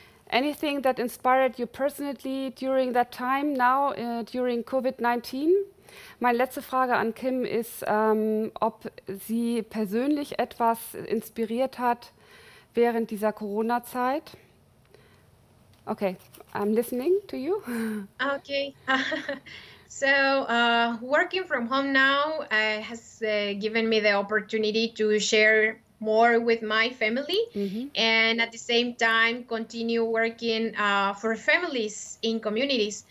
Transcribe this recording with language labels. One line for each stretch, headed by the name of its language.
English: Anything that inspired you personally during that time now, during COVID-19?
German: Meine letzte Frage an Kim ist, ob sie persönlich etwas inspiriert hat während dieser Corona-Zeit.
English: Okay, I'm listening to you. Okay. So working from home now has given me the opportunity to share more with my family, mm-hmm. and at the same time continue working for families in communities.